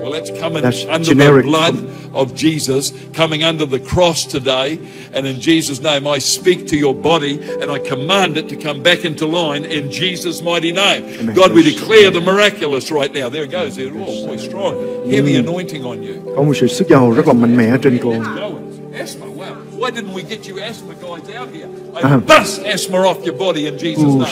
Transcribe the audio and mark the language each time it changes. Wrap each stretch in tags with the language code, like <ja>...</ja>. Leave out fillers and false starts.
<en>Well, that's coming under the blood of Jesus, coming under the cross today. And in Jesus' name, I speak to your body and I command it to come back into line in Jesus' mighty name. God, we declare the miraculous right now. There it goes. Oh, boy, strong. Heavy anointing on you.</en> <vi>Có một sự sức giàu rất là mạnh mẽ trên cô.</vi> <en>Asthma, wow. Why didn't we get you asthma guys out here? I bust asthma off your body in Jesus' name.</en>